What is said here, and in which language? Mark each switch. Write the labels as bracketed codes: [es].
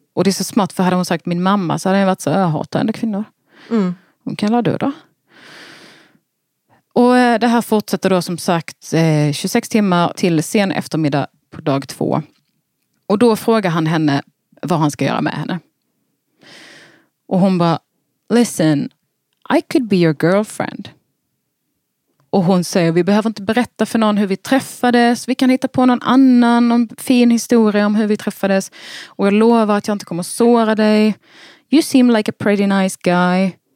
[sv] Och det är så smart för hade hon sagt min mamma så hade hon varit så öhatande kvinnor. Mm. Hon kan la döda. Och det här fortsätter då som sagt 26 timmar till sen eftermiddag på dag 2. Och då frågar han henne vad han ska göra med henne. Och hon bara, [en] listen, I could be your girlfriend. [sv] Och hon säger, vi behöver inte berätta för någon hur vi träffades. Vi kan hitta på någon annan, någon fin historia om hur vi träffades. Och jag lovar att jag inte kommer såra dig. [en] You seem like a pretty nice guy.